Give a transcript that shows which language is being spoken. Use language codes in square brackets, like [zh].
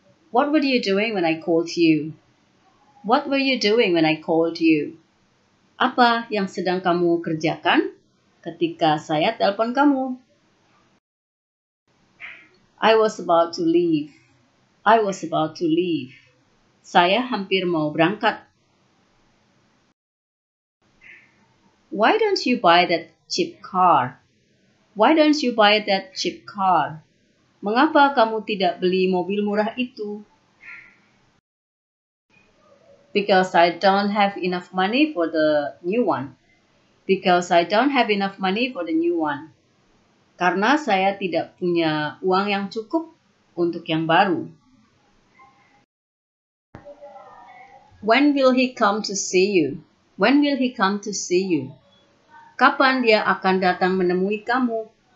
[en] What were you doing when I called you? What were you doing when I called you? [id] Apa yang sedang kamu kerjakan ketika saya telepon kamu? [en] I was about to leave. I was about to leave. [id] Saya hampir mau berangkat. [en] Why don't you buy that cheap car? Why don't you buy that cheap car? [id] Mengapa kamu tidak beli mobil murah itu? [en] Because I don't have enough money for the new one. Because I don't have enough money for the new one. [id] Karena saya tidak punya uang yang cukup untuk yang baru. [en] When will he come to see you? When will he come to see you? [id] Kapan dia akan datang menemui kamu?